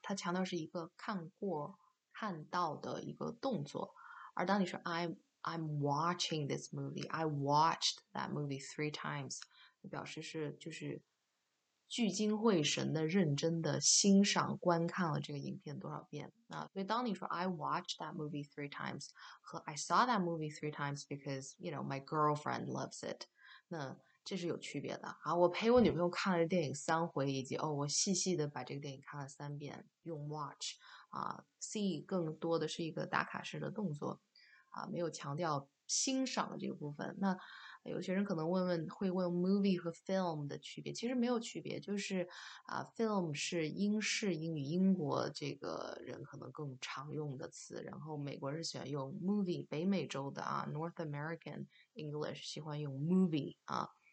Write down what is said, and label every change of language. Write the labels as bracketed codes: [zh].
[zh] 它强调是一个看过、看到的一个动作。而当你说 [en] I'm watching this movie. I watched that movie 3 times. [zh] 表示是就是聚精会神的、认真的欣赏、观看了这个影片多少遍？那所以当你说 [en] "I watched that movie 3 times" [zh] 和 [en] "I saw that movie 3 times because you know my girlfriend loves it"， [zh] 那这是有区别的啊！我陪我女朋友看了电影3回，以及哦，我细细的把这个电影看了3遍，用 "watch" 啊，"see" 更多的是一个打卡式的动作啊，没有强调欣赏的这个部分。那有些人可能会问 movie 和 film 的区别，其实没有区别，就是啊，film 是英式英语英国这个人可能更常用的词，然后美国人喜欢用 movie，北美洲的啊， [en] North American English [zh] 喜欢用 movie 啊。